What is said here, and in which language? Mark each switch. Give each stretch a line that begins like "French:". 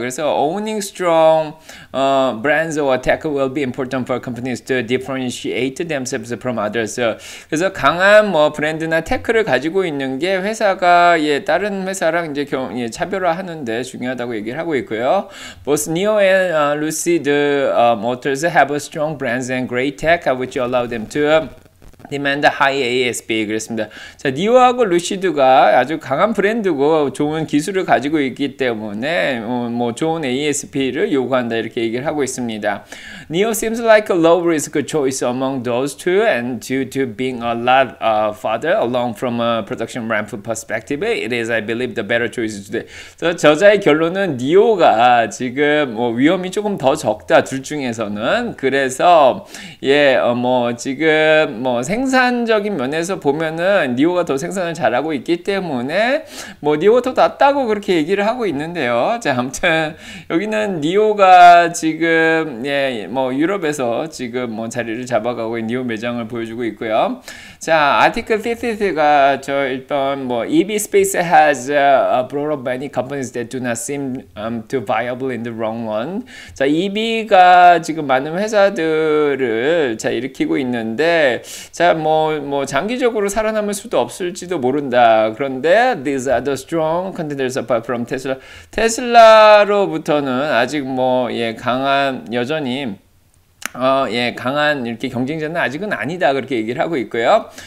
English: 그래서 owning strong brands or tech will be important for companies to differentiate themselves from others.
Korean: 그래서 강한 뭐 브랜드나 테크를 가지고 있는 게 회사가 예, 다른 회사랑 이제 차별 하는데 중요하다고 얘기를 하고 있고요.
English: Both NIO and Lucid Motors have a strong brands and great tech which allow them to demand high ASP.
Korean: 그랬습니다. 자, 니오하고 루시드가 아주 강한 브랜드고 좋은 기술을 가지고 있기 때문에 뭐 좋은 ASP를 요구한다, 이렇게 얘기를 하고 있습니다.
English: NIO seems like a low risk choice among those two, and due to being a lot farther along from a production ramp perspective, it is, I believe, the better choice today.
Korean: 그래서 저자의 결론은 니오가 지금 뭐 위험이 조금 더 적다, 둘 중에서는. 그래서 예, 뭐 지금 뭐 생산적인 면에서 보면은 니오가 더 생산을 잘하고 있기 때문에 뭐 니오가 더 낫다고 그렇게 얘기를 하고 있는데요. 자, 아무튼 여기는 니오가 지금 예 뭐 유럽에서 지금 뭐 자리를 잡아가고 있는 니오 매장을 보여주고 있고요. 자, 아티클 50가 저 일단 뭐
English: EV space has brought up many companies that do not seem too viable in the long run.
Korean: 자, EV가 지금 많은 회사들을 자 일으키고 있는데, 자, 뭐 장기적으로 살아남을 수도 없을지도 모른다.
English: 그런데 these are the strong contenders apart from Tesla.
Korean: 테슬라로부터는 아직 뭐 예 강한 여전히 예, 강한 이렇게 경쟁자는 아직은 아니다, 그렇게 얘기를 하고 있고요.